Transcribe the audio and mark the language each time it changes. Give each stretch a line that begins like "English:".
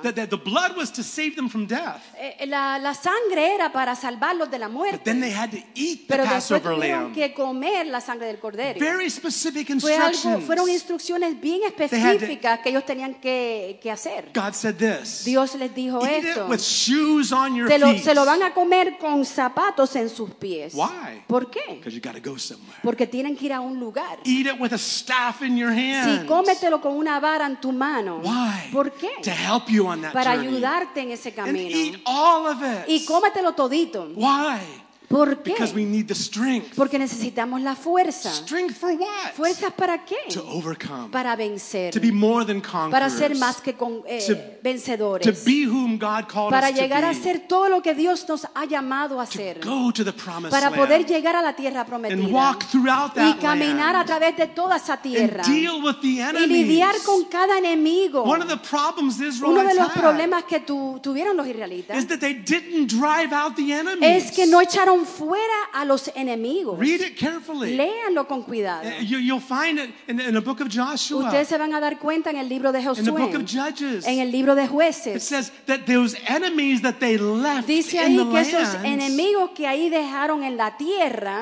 English: The blood was to save them from death.
Spanish: La sangre era para salvarlos de la muerte.
English: But then they had to eat
Spanish: Pero
English: the Passover lamb.
Spanish: Pero después tuvieron que comer la sangre del cordero.
English: Very specific instructions.
Spanish: Fueron instrucciones bien específicas que ellos tenían que hacer.
English: God said this.
Spanish: Dios les dijo
English: eat
Spanish: esto.
English: Eat it with shoes on your feet.
Spanish: Se lo van a comer con zapatos en sus pies.
English: Why?
Spanish: ¿Por qué?
English: Because you got to go somewhere.
Spanish: Porque tienen que ir a un lugar.
English: Eat it with a staff in your hand.
Spanish: Sí, cómetelo con una vara. En tu mano.
English: Why?
Spanish: ¿Por qué?
English: To help you on that
Spanish: Para
English: journey.
Spanish: Ayudarte en ese camino.
English: And eat all of it.
Spanish: Y cómetelo todito.
English: Why?
Spanish: ¿Por qué?
English: Because we need the strength.
Spanish: Porque necesitamos la fuerza.
English: Strength for what?
Spanish: ¿Fuerzas para qué?
English: To overcome.
Spanish: Para vencer.
English: To be more than conquerors.
Spanish: Para ser más que vencedores.
English: To be whom God called
Spanish: para
English: us
Spanish: llegar
English: to
Spanish: a ser todo lo que Dios nos ha llamado a ser.
English: To go to the promised
Spanish: para poder
English: land.
Spanish: Llegar a la tierra prometida.
English: And walk throughout that
Spanish: y caminar
English: land.
Spanish: A través de toda esa tierra.
English: And deal with the enemies.
Spanish: Y lidiar con cada enemigo.
English: One of the problems the Israelites
Spanish: Uno de los problemas que tuvieron los israelitas
English: is that they didn't drive out the enemies.
Spanish: Es que no echaron fuera a los enemigos.
English: Read it carefully.
Spanish: Léanlo con cuidado.
English: You'll find it in the book of Joshua.
Spanish: Ustedes se van a dar cuenta en el libro de Josué.
English: In the book of Judges.
Spanish: En el libro de Jueces.
English: It says that those enemies that they left in the
Spanish: Dice ahí que
English: lands,
Spanish: esos enemigos que ahí dejaron en la tierra